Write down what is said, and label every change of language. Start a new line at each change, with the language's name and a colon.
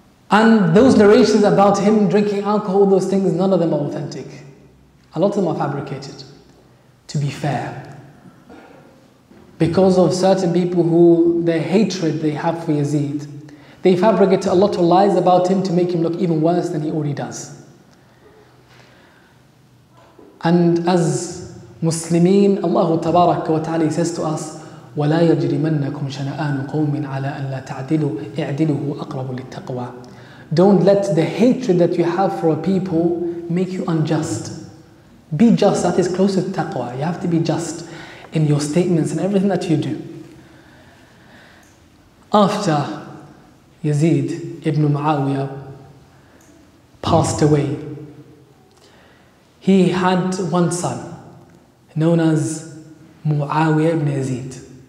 English: And those narrations about him drinking alcohol, those things, none of them are authentic. A lot of them are fabricated, to be fair. Because of certain people who, their hatred they have for Yazid, they fabricate a lot of lies about him to make him look even worse than he already does. And as Muslimin, Allah tabarak wa ta'ala says to us,
Arabic: وَلَا يَجْرِمَنَّكُمْ شَنَآنُ قَوْمٍ عَلَىٰ أَنْ لَا تَعْدِلُوا اِعْدِلُهُ أَقْرَبُ لِلتَّقْوَىٰ.
English: Don't let the hatred that you have for a people make you unjust. Be just, that is close to taqwa. You have to be just in your statements and everything that you do. After Yazid ibn Muawiyah passed away, he had one son known as Muawiyah ibn Yazid.